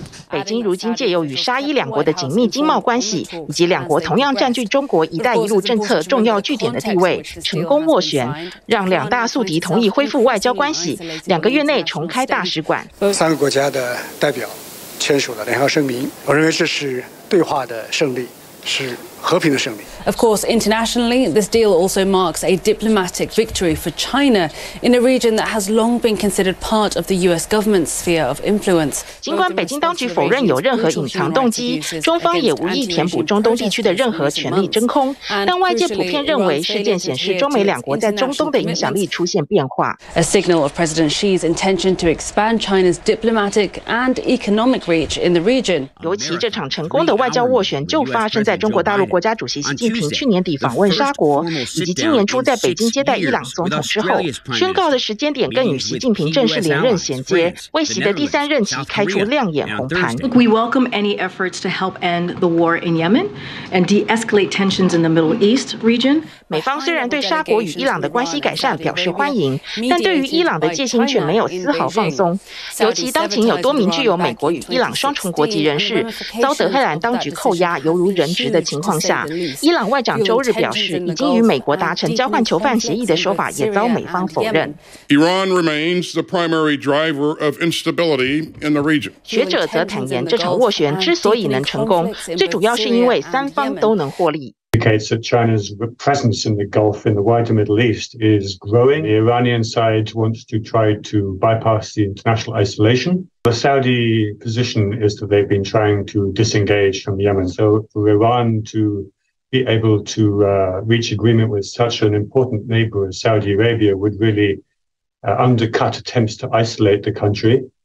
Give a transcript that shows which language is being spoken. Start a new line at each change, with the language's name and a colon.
Chinese: 北京如今借由与沙伊两国的紧密经贸关系，以及两国同样占据中国“一带一路”政策重要据点的地位，成功斡旋，让两大宿敌同意恢复外交关系，两个月内重开大使馆。三个国家的代表签署了联合声明，我认为这是对话的胜利，是和平的胜利。
English: Of course, internationally, this deal also marks a diplomatic victory for China in a region that has long been considered part of the U.S. government's sphere of influence.
Chinese: 尽管北京当局否认有任何隐藏动机，中方也无意填补中东地区的任何权力真空，但外界普遍认为事件显示中美两国在中东的影响力出现变化。
English: A signal of President Xi's intention to expand China's diplomatic and economic reach in the region.
Chinese: 尤其这场成功的外交斡旋就发生在中国大陆国家主席习近平去年底访问沙国，以及今年初在北京接待伊朗总统之后，宣告的时间点更与习近平正式连任衔接，为习的第三任期开出亮眼红盘。
English: We welcome any efforts to help end the war in Yemen and de-escalate tensions in the Middle East region.
Chinese: 美方虽然对沙国与伊朗的关系改善表示欢迎，但对于伊朗的戒心却没有丝毫放松。尤其当前有多名具有美国与伊朗双重国籍人士遭德黑兰当局扣押，犹如人质的情况下，伊朗外长周日表示，已经与美国达成交换囚犯协议的说法也遭美方否认。
English: Iran remains the primary driver of instability in the region.
Chinese: 学者则坦言，这场斡旋之所以能成功，最主要是因为三方都能获利。
English: Indicates that China's presence in the Gulf, in the wider Middle East, is growing. The Iranian side wants to try to bypass the international isolation. The Saudi position is that they've been trying to disengage from Yemen. So for Iran to be able to reach agreement with such an important neighbor as Saudi Arabia would really undercut attempts to isolate the country.